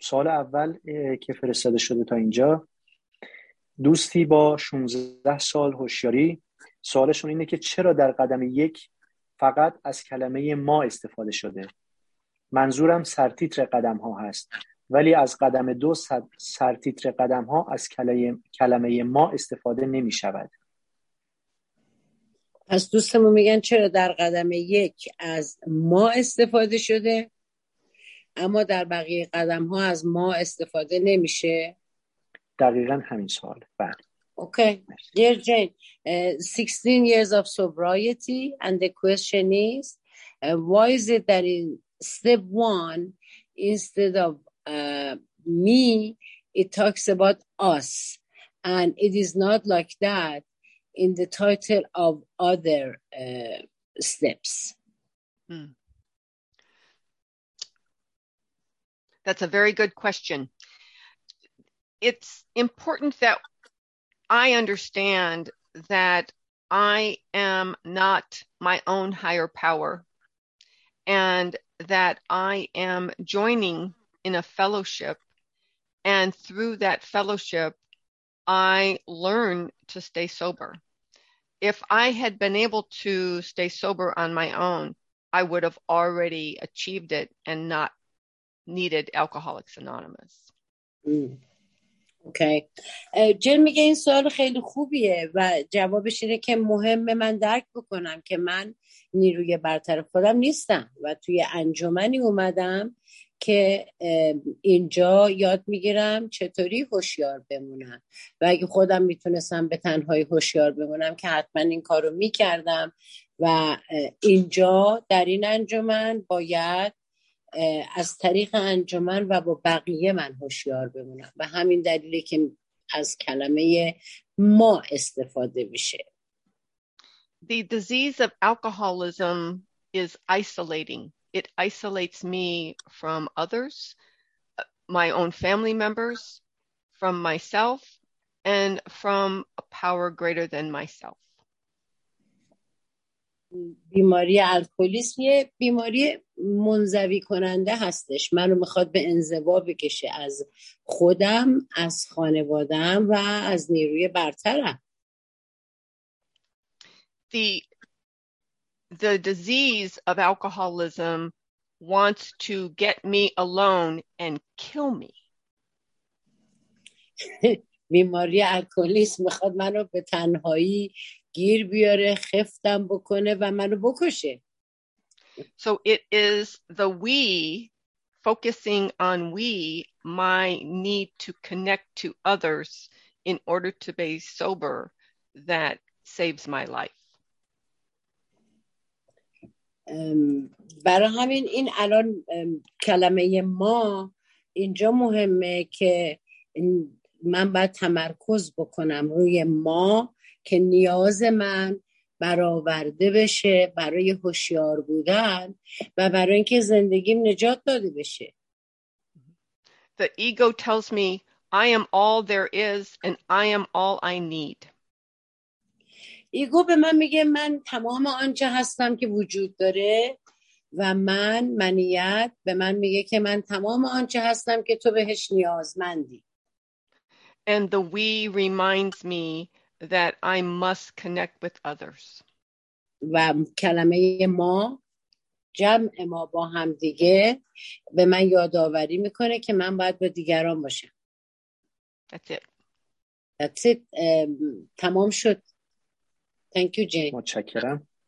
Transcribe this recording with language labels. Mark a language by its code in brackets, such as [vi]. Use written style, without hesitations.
[fa] سوال اول که فرستاده شده تا اینجا، دوستی با 16 سال هوشیاری، سوالشون اینه که چرا در قدم یک فقط از کلمه ما استفاده شده؟ منظورم سرتیتر قدم ها هست، ولی از قدم دو سرتیتر قدم ها از کلمه ما استفاده نمی شود. پس دوستمون میگن چرا در قدم یک از ما استفاده شده اما در بقیه قدم ها از ما استفاده نمیشه؟ دقیقا همین سوال. [en] Okay. Dear Jane, 16 years of sobriety and the question is why is it that in step one instead of me it talks about us and it is not like that in the title of other steps. That's a very good question. It's important that I understand that I am not my own higher power and that I am joining in a fellowship, and through that fellowship I learn to stay sober. If I had been able to stay sober on my own, I would have already achieved it and not needed Alcoholics Anonymous. Okay. [fa] جن میگه این سوال خیلی خوبیه و جوابش اینه که مهمه من درک بکنم که من نیروی برتر خودم نیستم و توی انجمنی اومدم که اینجا یاد میگیرم چطوری هوشیار بمونم و اگه خودم میتونستم به تنهایی هوشیار بمونم که حتما این کارو میکردم و اینجا در این انجمن باید از طریق انجمن و با بقیه من هوشیار بمونم و همین دلیلی که از کلمه ما استفاده میشه. [en] The disease of alcoholism is isolating. It isolates me from others, my own family members, from myself, and from a power greater than myself. [fa] بیماری الکلیسم یه بیماری منزوی کننده هستش. منو میخواد به انزوا بکشه از خودم، از خانوادم و از نیروی برترم. [en] The disease of alcoholism wants to get me alone and kill me. [fa] بیماری الکلیسم میخواد منو به تنهایی گیر بیاره، خفتم بکنه و منو بکشه. [en] So it is the we, focusing on we, my need to connect to others in order to be sober, that saves my life. [fa] برای همین این الان کلمه ما اینجا مهمه که من باید تمرکز بکنم روی ما که نیاز من برآورده بشه برای هوشیار بودن و برای اینکه زندگیم نجات داده بشه. [en] The ego tells me I am all there is and I am all I need. [fa] ایگو به من میگه من تمام آنچه هستم که وجود داره و منیت به من میگه که من تمام آنچه هستم که تو بهش نیازمندی. [en] And the we reminds me that I must connect with others. [fa] و کلمه ما، جمع ما با هم دیگه، به من یادآوری میکنه که من باید با دیگران باشم. [en] That's it. [fa] تمام شد. [en] Thank you, Jane. [fa] متشکرم.